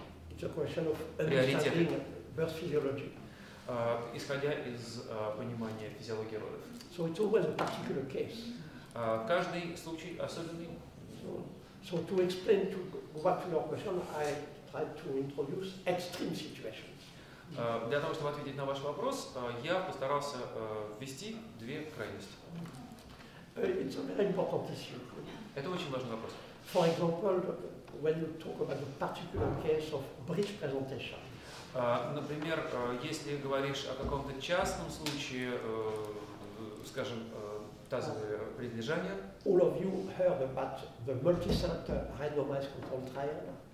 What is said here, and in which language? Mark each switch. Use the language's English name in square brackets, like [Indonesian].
[English] It's a question of understanding birth physiology. [Russian] Исходя из понимания физиологии родов. [English] So it's always a particular case. [Russian] Каждый случай особенный. [English] So to explain to go back to your question, I try to introduce extreme situations. [Russian] Для того, чтобы ответить на ваш вопрос, я постарался ввести две крайности. [English] It's a very important issue. [Russian] Это очень важный вопрос. [English] For example, when you talk about the particular case of bridge presentation. [Russian] Например, если говоришь о каком-то частном случае, скажем, тазовое предлежание. [English] All of you heard about the multicenter randomized control trial.